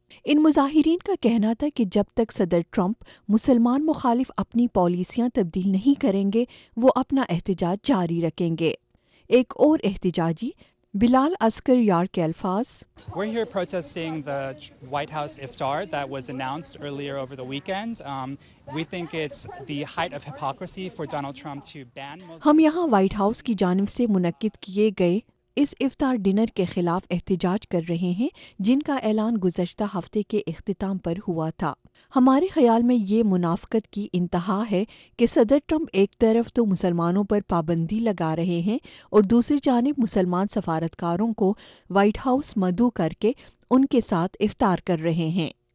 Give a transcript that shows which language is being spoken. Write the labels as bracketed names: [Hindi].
[Urdu] ان مظاہرین کا کہنا تھا کہ جب تک صدر ٹرمپ مسلمان مخالف اپنی پالیسیاں تبدیل نہیں کریں گے وہ اپنا احتجاج جاری رکھیں گے. ایک اور احتجاجی بلال اسکر یار کے الفاظ, [English] We're here protesting the White House iftar that was announced earlier over the weekend. We think it's the height of hypocrisy for Donald Trump to ban Muslims. [Urdu] ہم یہاں وائٹ ہاؤس کی جانب سے منعقد کیے گئے اس افطار ڈنر کے خلاف احتجاج کر رہے ہیں جن کا اعلان گزشتہ ہفتے کے اختتام پر ہوا تھا. ہمارے خیال میں یہ منافقت کی انتہا ہے کہ صدر ٹرمپ ایک طرف تو مسلمانوں پر پابندی لگا رہے ہیں اور دوسری جانب مسلمان سفارتکاروں کو وائٹ ہاؤس مدعو کر کے ان کے ساتھ افطار کر رہے ہیں.